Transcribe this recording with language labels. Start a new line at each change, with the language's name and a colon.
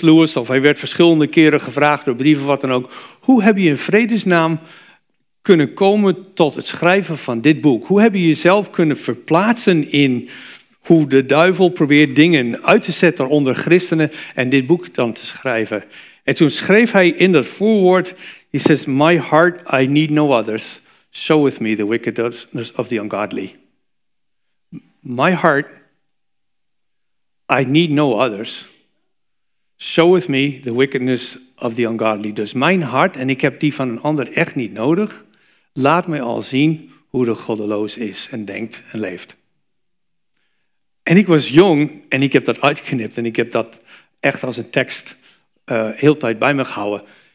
Dutch: Lewis, of hij werd verschillende keren gevraagd door brieven, wat dan ook. Hoe heb je in vredesnaam kunnen komen tot het schrijven van dit boek? Hoe heb je jezelf kunnen verplaatsen in hoe de duivel probeert dingen uit te zetten onder christenen en dit boek dan te schrijven? En toen schreef hij in dat voorwoord,
English: he says, my heart, I need no others. Show with me the wickedness of the ungodly. My heart, I need no others. Show with me the wickedness of the ungodly.
Dutch: Dus mijn hart, en ik heb die van een ander echt niet nodig, laat mij al zien hoe de goddeloos is en denkt en leeft. En ik was jong en ik heb dat uitgeknipt en ik heb dat echt als een tekst heel tijd bij me gehouden.